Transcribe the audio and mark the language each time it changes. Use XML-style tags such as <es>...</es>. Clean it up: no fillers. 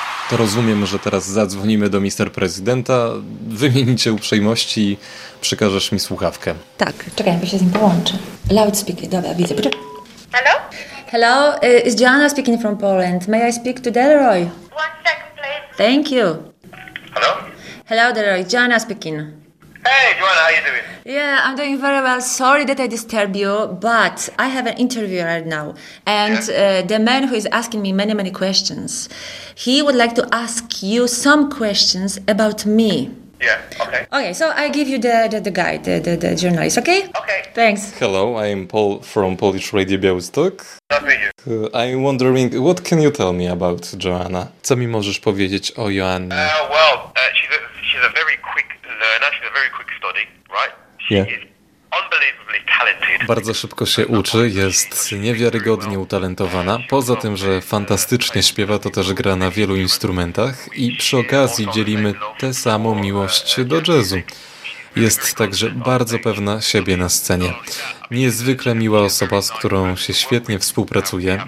<pl>To rozumiem, że teraz zadzwonimy do Mister Prezydenta, wymienicie uprzejmości i przekażesz mi słuchawkę. Tak, czekaj, ja się z nim połączę. Loudspeaker, dobra, widzę. Poczekaj.</pl> <en>Hello? Hello, it's Joanna speaking from Poland. May I speak to Delroy? One second, please. Thank you. Hello? Hello, Delroy, Joanna speaking. Hey, Joanna, how are you doing? Yeah, I'm doing very well. Sorry that I disturb you, but I have an interview right now. And the man who is asking me many, many questions, he would like to ask you some questions about me. Yeah, okay. Okay, so I give you the guide, the journalist, okay? Okay. Thanks. Hello, I'm Paul from Polish Radio Białystok. I'm wondering, what can you tell me about Joanna?</en> <pl>Co mi możesz powiedzieć o Joannie?</pl> <en>She's a very quick learner, she's a very quick study, right? She is unbelievably talented.</en> <pl>Bardzo szybko się uczy, jest niewiarygodnie utalentowana. Poza tym, że fantastycznie śpiewa, to też gra na wielu instrumentach i przy okazji dzielimy tę samą miłość do jazzu. Jest także bardzo pewna siebie na scenie. Niezwykle miła osoba, z którą się świetnie współpracuje.</pl>